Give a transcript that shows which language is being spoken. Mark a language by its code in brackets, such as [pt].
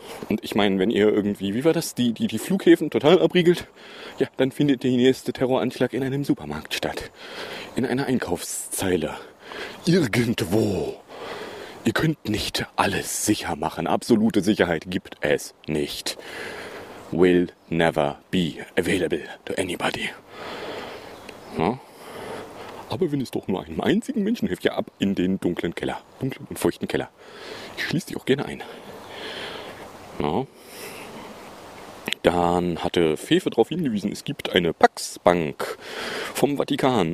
[de] Und ich meine, wenn ihr irgendwie, wie war das, die Flughäfen total abriegelt, ja, dann findet der nächste Terroranschlag in einem Supermarkt statt. In einer Einkaufszeile. Irgendwo. Ihr könnt nicht alles sicher machen. Absolute Sicherheit gibt es nicht. [en] Will never be available to anybody. [de] Ja. Aber wenn es doch nur einem einzigen Menschen hilft, ja, ab in den dunklen Keller. Dunklen und feuchten Keller. Ich schließe dich auch gerne ein. Ja. Dann hatte Fefe darauf hingewiesen, es gibt eine Pax-Bank vom Vatikan.